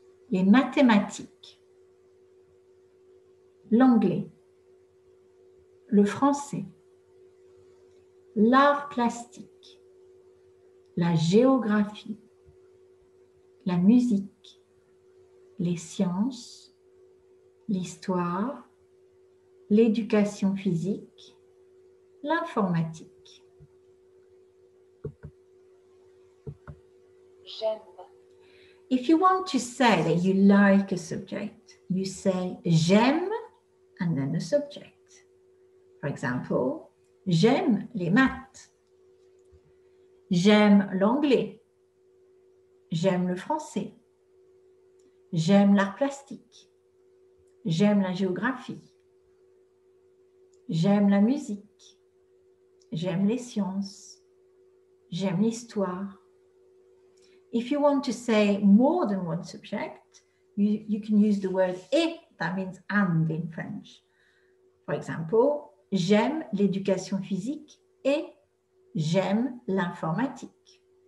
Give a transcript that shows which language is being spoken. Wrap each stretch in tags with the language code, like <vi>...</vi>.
<fr>Les mathématiques, l'anglais, le français, l'art plastique, la géographie, la musique, les sciences, l'histoire, l'éducation physique, l'informatique. J'aime.</fr> <en>If you want to say that you like a subject, you say j'aime and then the subject. For example,</en> <fr>j'aime les maths, j'aime l'anglais, j'aime le français, j'aime l'art plastique, j'aime la géographie, j'aime la musique, j'aime les sciences, j'aime l'histoire.</fr> <en>If you want to say more than one subject, you can use the word et, that means and in French. For example,</en> <fr>j'aime l'éducation physique et j'aime l'informatique.</fr>